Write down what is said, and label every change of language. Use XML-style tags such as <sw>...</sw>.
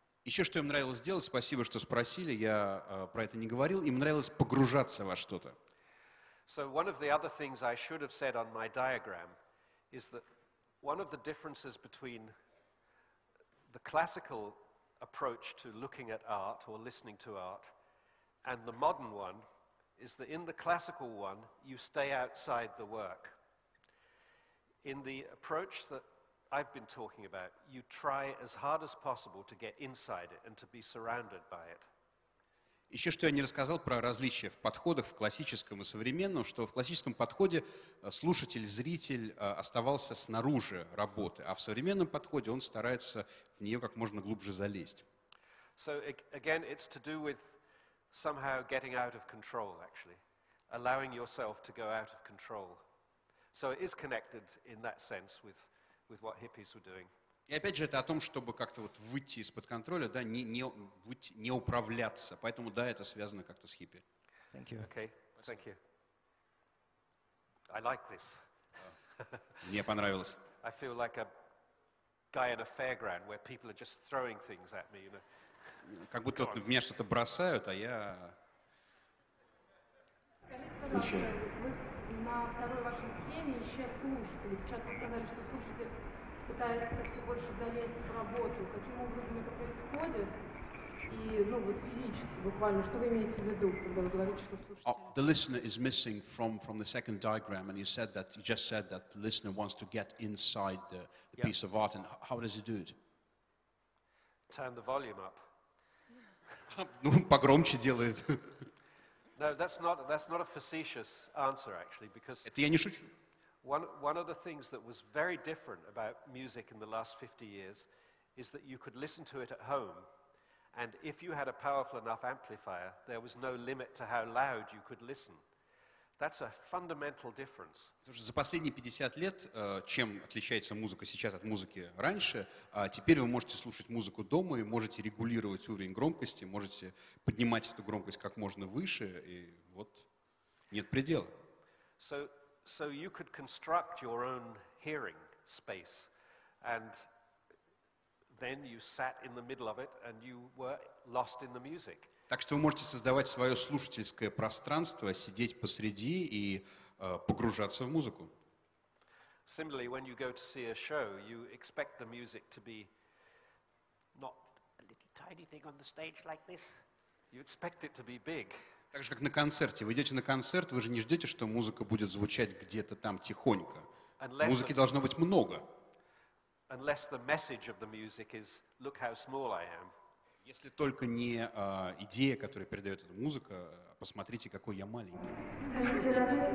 <ru>Еще что им нравилось делать, спасибо, что спросили, я про это не говорил, им нравилось погружаться во что-то.</ru> <en>So one of the other things I should have said on my diagram is that one of the differences between the classical approach to looking at art or listening to art and the modern one is that in the classical one you stay outside the work. In the approach that I've been talking about, you try as hard as possible to get inside it and to be surrounded by it.</en> <ru>Еще что я не рассказал про различия в подходах в классическом и современном, что в классическом подходе слушатель, зритель оставался снаружи работы, а в современном подходе он старается в нее как можно глубже залезть.</ru> <en>So again, it's to do with somehow getting out of control, actually. allowing yourself to go out of control. So it is connected in that sense with what hippies were doing.</en> <ru>И опять же, это о том, чтобы как-то вот выйти из-под контроля, да, не управляться. Поэтому, да, это связано как-то с хиппи.</ru> <en>Thank you. Okay. Thank you. I like this.</en> <ru>Мне понравилось.</ru> <en>I feel like a guy in a fairground where people are just throwing things at me, you know.</en> <ru>Как будто в меня что-то бросают, а я... Скажите, пожалуйста, вы на второй вашей схеме еще слушатели. Сейчас вы сказали, что слушатель пытается все больше залезть в работу. Каким образом это происходит? И, ну, вот физически буквально, что вы имеете в виду, когда вы говорите, что слушатель...</ru> <en>The listener is missing from the second diagram, and you just said that the listener wants to get inside the piece of art, and how does he do it? Turn the volume up.</en> <ru>Ну, погромче делает.</ru> <en>No, that's not a facetious answer, actually, because</en> <ru>это я не шучу.</ru> <en>One of the things that was very different about music in the last 50 years is that you could listen to it at home, and if you had a powerful enough amplifier, there was no limit to how loud you could listen. That's a fundamental difference.</en> <ru>За последние 50 лет, чем отличается музыка сейчас от музыки раньше, теперь вы можете слушать музыку дома и можете регулировать уровень громкости, можете поднимать эту громкость как можно выше, и вот нет предела.</ru> <en>So you could construct your own hearing space, and then you sat in the middle of it and you were lost in the music.</en> <ru>Так что вы можете создавать свое слушательское пространство, сидеть посреди и погружаться в музыку.</ru> <en>Similarly, when you go to see a show, you expect the music to be not a little tiny thing on the stage like this. You expect it to be big.</en> <ru>Так же, как на концерте. Вы идете на концерт, вы же не ждете, что музыка будет звучать где-то там тихонько. Музыки должно быть много.</ru> <en>Unless the message of the music is, look how small I am.</en> <ru>Если только не идея, которая передает эта музыка, посмотрите, какой я маленький.</ru>